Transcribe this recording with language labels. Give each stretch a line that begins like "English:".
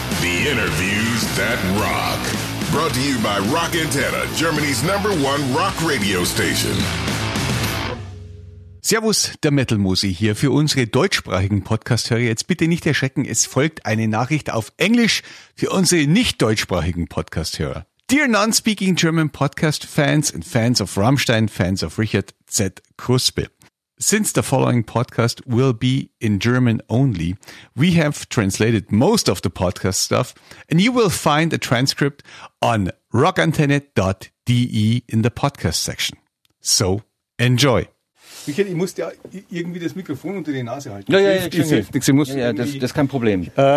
English: The interviews that rock. Brought to you by Rock Antenna, Germany's number one rock radio station.
German: Servus, der Metal-Musi hier für unsere deutschsprachigen Podcast-Hörer. Jetzt bitte nicht erschrecken, es folgt eine Nachricht auf Englisch für unsere nicht deutschsprachigen Podcast-Hörer.
English: Dear non-speaking German podcast fans and fans of Rammstein, fans of Richard Z. Kruspe. Since the following podcast will be in German only, we have translated most of the podcast stuff and you will find a transcript on rockantenne.de in the podcast section. So, enjoy!
German: Michael, ich muss dir irgendwie das Mikrofon unter die Nase halten. Ja, ja, das ist kein Problem.